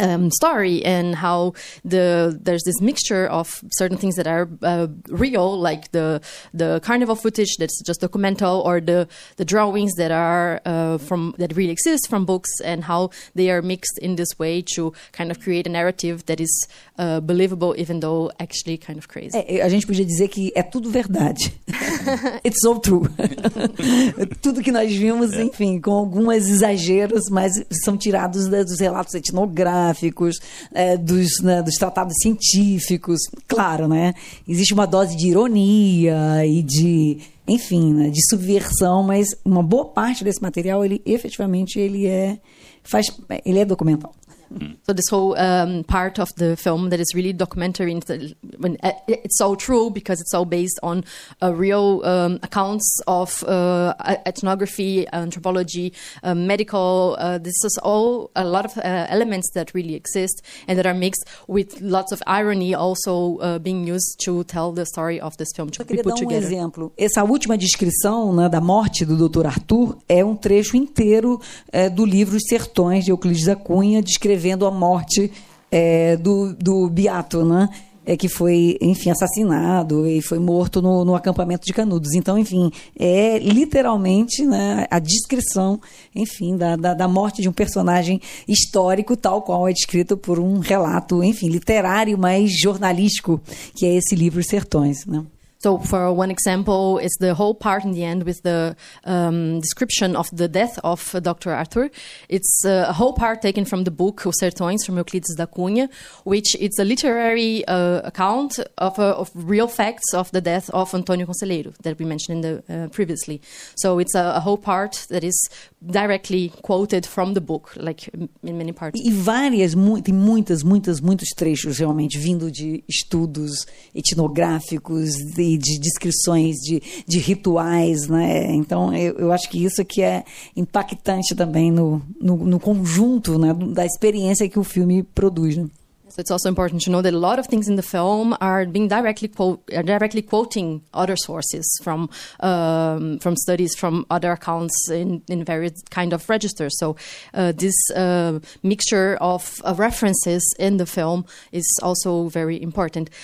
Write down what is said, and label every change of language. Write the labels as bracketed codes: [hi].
[en] story, and how there's this mixture of certain things that are real, like the carnival footage that's just documental, or the drawings that are that really exist from books, and how they are mixed in this way to kind of create a narrative that is believable, even though actually kind of crazy. [pt] A gente podia dizer que é tudo verdade. [en] It's all true. [pt] Tudo que nós vimos, enfim, com algumas exageros, mas são tirados dos relatos etnográficos, dos tratados científicos, claro, né? Existe uma dose de ironia e de enfim, né, de subversão, mas uma boa parte desse material, ele efetivamente, ele é documental. [en] So this whole part of the film that is really documentary, it's all true because it's all based on real accounts of ethnography, anthropology, medical. This is all a lot of elements that really exist and that are mixed with lots of irony also being used to tell the story of this film to people together. [pt] Eu queria dar um exemplo. Essa última descrição, né, da morte do Dr. Arthur é um trecho inteiro do livro Os Sertões, de Euclides da Cunha, descrevendo a morte do Beato, né? Que foi, enfim, assassinado e foi morto no acampamento de Canudos. Então, enfim, é literalmente, né, a descrição, enfim, da morte de um personagem histórico, tal qual é descrito por um relato, enfim, literário, mas jornalístico, que é esse livro Sertões, né? [en] So for one example, it's the whole part in the end with the description of the death of Dr. Arthur. It's a whole part taken from the book Os Sertões, from Euclides da Cunha, which is a literary account of real facts of the death of Antônio Conselheiro that we mentioned in the previously. So it's a whole part that is directly quoted from the book, like in many parts. [pt] E várias, muitos trechos realmente vindo de estudos etnográficos, de descrições de rituais, né? Então eu acho que isso que é impactante também no conjunto, né, da experiência que o filme produz, né? [en] So it's also important to know that a lot of things in the film are being directly quoting other sources from studies, from other accounts in various kind of registers. So this mixture of references in the film is also very important.